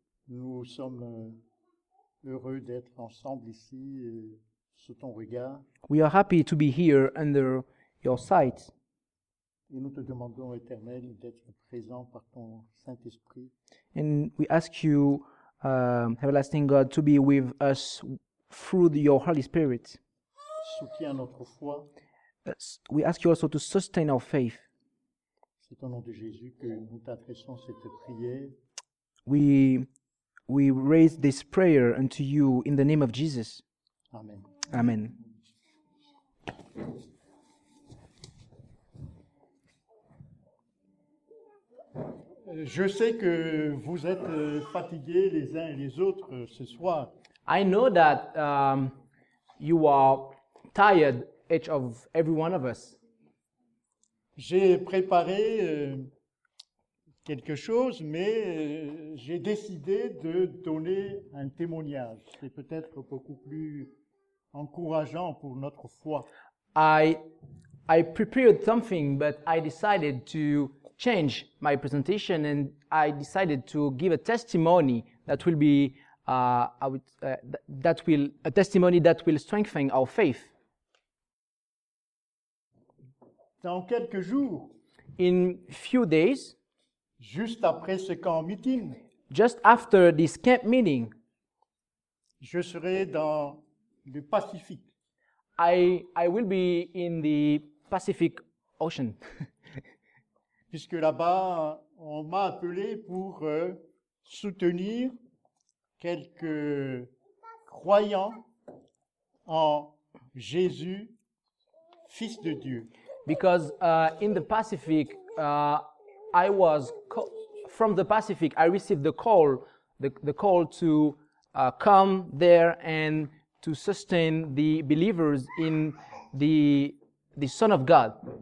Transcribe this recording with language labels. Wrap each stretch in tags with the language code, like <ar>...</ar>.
<fr>Nous sommes heureux d'être ensemble ici sous ton regard.</fr> <en>We are happy to be here under your sight.</en> <fr>Et nous te demandons, Éternel, d'être présent par ton Saint-Esprit.</fr> <en>And we ask you, everlasting God, to be with us through your Holy Spirit.</en> <fr>Soutiens notre foi.</fr> <en>We ask you also to sustain our faith.</en> <fr>C'est au nom de Jésus que nous t'adressons cette prière.</fr> <en>We raise this prayer unto you in the name of Jesus.</en> <fr>Amen.</fr> <en>Amen.</en> <fr>Je sais que vous êtes fatigués les uns et les autres ce soir.</fr> <en>I know that you are tired, each of every one of us.</en> <fr>J'ai préparé quelque chose, mais j'ai décidé de donner un témoignage. C'est peut-être beaucoup plus encourageant pour notre foi.</fr> <en>I prepared something, but I decided to change my presentation, and I decided to give a testimony that will be a testimony that will strengthen our faith.</en> <fr>Dans quelques jours,</fr> <en>in few days,</en> <fr>juste après ce camp meeting,</fr> <en>just after this camp meeting,</en> <fr>je serai dans le Pacifique.</fr> <en>I will be in the Pacific Ocean.</en> <fr>Puisque là-bas, on m'a appelé pour soutenir quelques croyants en Jésus, Fils de Dieu.</fr> <en>Because in the Pacific, from the Pacific, I received the call, the call to come there and to sustain the believers in the Son of God.</en>